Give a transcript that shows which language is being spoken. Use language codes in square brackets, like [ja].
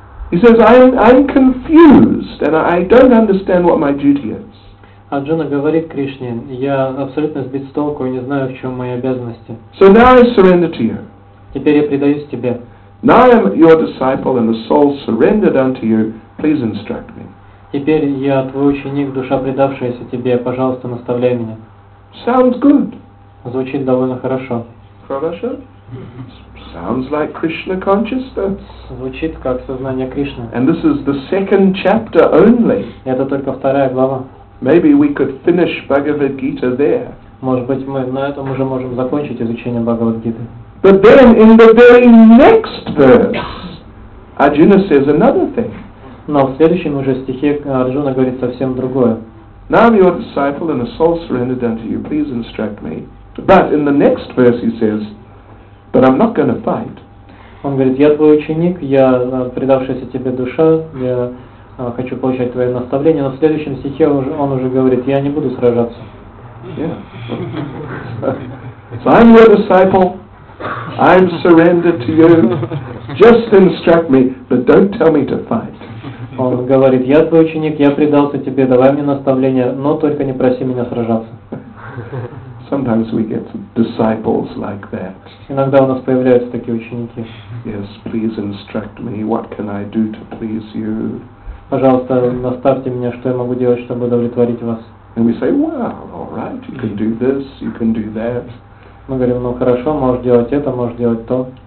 [en] He says, I'm confused and I don't understand what my duty is. [ru] Арджуна говорит Кришне, я абсолютно сбит с толку и не знаю, в чем мои обязанности. [en] So now I surrender to you. [ru] Теперь я предаюсь тебе. [en] Now I'm your disciple and the soul surrendered unto you. Please instruct me. [ru] Теперь я твой ученик, душа предавшаяся тебе. Пожалуйста, наставляй меня. [en] Sounds good. [ru] Звучит довольно хорошо. Хорошо? [en] Sounds like Krishna consciousness. [ru] Звучит как сознание Кришны. [en] And this is the second chapter only. [ru] Это только вторая глава. [en] Maybe we could finish Bhagavad Gita there. [ru] Может быть, мы на этом уже можем закончить изучение Бхагавад Гиты. [en] But then in the very next verse, Arjuna says another thing. [ru] Но в следующем уже стихе Арджуна говорит совсем другое. [en] Now I'm your disciple and a soul surrendered unto you. Please instruct me. But in the next verse he says, but I'm not going to fight. [ru] Он говорит, я твой ученик, я предавшаяся тебе душа, я хочу получать твое наставление. Но в следующем стихе он уже говорит, я не буду сражаться. [en] Yeah. So I'm your disciple. I'm surrendered to you. Just instruct me, but don't tell me to fight. [ru] Он говорит, я твой ученик, я предался тебе, давай мне наставление, но только не проси меня сражаться. [en] Sometimes we get disciples like that. [ru] Иногда у нас появляются такие ученики. [en] Yes, please instruct me. What can I do to please you? [ru] Пожалуйста, наставьте меня, что я могу делать, чтобы удовлетворить вас. [en] And we say, well, all right, you can do this, you can do that. [ru] Мы говорим, ну хорошо, можешь делать это, можешь делать то.